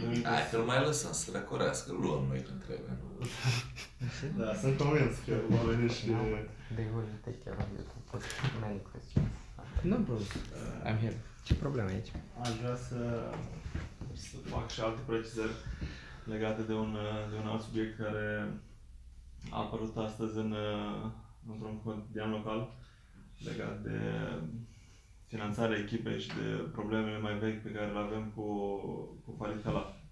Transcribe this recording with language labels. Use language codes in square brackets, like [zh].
[ro] Hai că-l mai lăsăm să răcorească, luăm noi când trebuie. Da, sunt convins că va veni și... [en] They will take care of you to put many questions. No problem. I'm here. [ro] Ce problemă aici? Aș vrea să fac și alte precizări legate de un alt subiect care a apărut astăzi într-un cotidian local legat de finanțarea echipei și de problemele mai vechi pe care le avem cu Falitela.